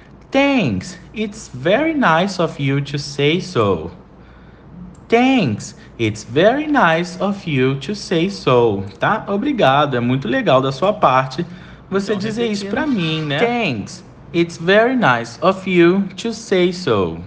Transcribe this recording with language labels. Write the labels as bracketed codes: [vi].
[en] Thanks, it's very nice of you to say so. Thanks, it's very nice of you to say so. Tá? [pt] Obrigado, é muito legal da sua parte você dizer isso pra mim, né? [en] Thanks, it's very nice of you to say so.